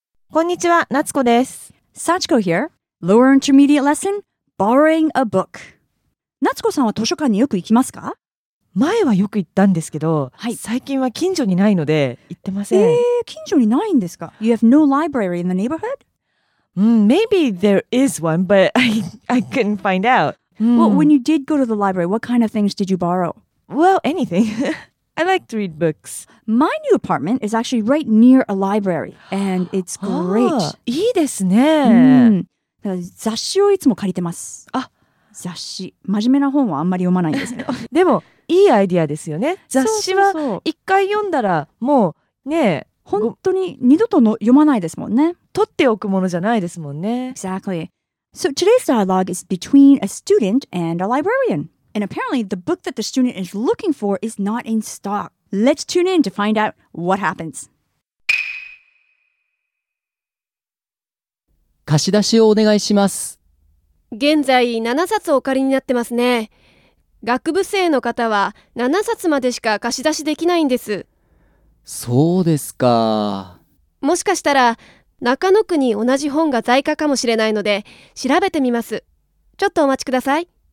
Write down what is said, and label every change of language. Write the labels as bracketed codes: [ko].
[ja] こんにちは、夏子です。 [en] Sachiko here. Lower intermediate lesson, borrowing a book. [ja] 夏子さんは図書館によく行きますか？前はよく行ったんですけど、はい、最近は近所にないので行ってません。近所にないんですか？ [en] You have no library in the neighborhood? Maybe there is one, but I couldn't find out. Well, when you did go to the library, what kind of things did you borrow? Well, anything. I like to read books. My new apartment is actually right near a library, and it's great. [ja] いいですね。雑誌をいつも借りてます。あ、雑誌。真面目な本はあんまり読まないんですけど。でも、いいアイディアですよね。雑誌は一回読んだら、もうね、本当に二度との読まないですもんね。取っておくものじゃないですもんね。 [en] Exactly. So today's dialogue is between a student and a librarian. And apparently, the book that the student is looking for is not in stock. Let's tune in to find out what happens. [ja] 貸し出しをお願いします。現在、7冊お借りになってますね。学部生の方は7冊までしか貸し出しできないんです。そうですか。もしかしたら、中野区に同じ本が在庫かもしれないので、調べてみます。ちょっとお待ちください。